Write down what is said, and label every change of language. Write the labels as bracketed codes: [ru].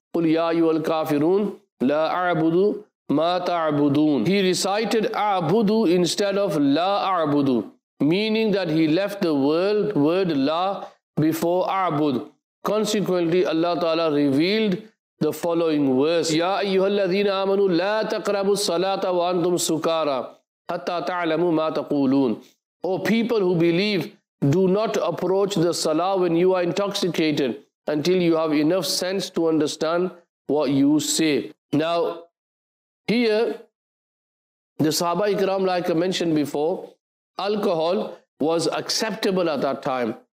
[ar] قُلْ يَا أَيُّهَا الْكَافِرُونَ لَا أَعْبُدُ مَا تَعْبُدُونَ. [en] He recited أَعْبُدُ instead of لَا أَعْبُدُ, meaning that he left the word La before A'bud. Consequently, Allah Ta'ala revealed the following verse. [ar] يَا أَيُّهَا الَّذِينَ آمَنُوا لَا تَقْرَبُوا الصَّلَاةَ وَأَنْتُمْ سُكَارَى حَتَّى تَعْلَمُوا مَا تَقُولُونَ. [en] O people who believe, Do not approach the salah when you are intoxicated until you have enough sense to understand what you say. Now, here, the Sahaba Ikram, like I mentioned before, alcohol was acceptable at that time.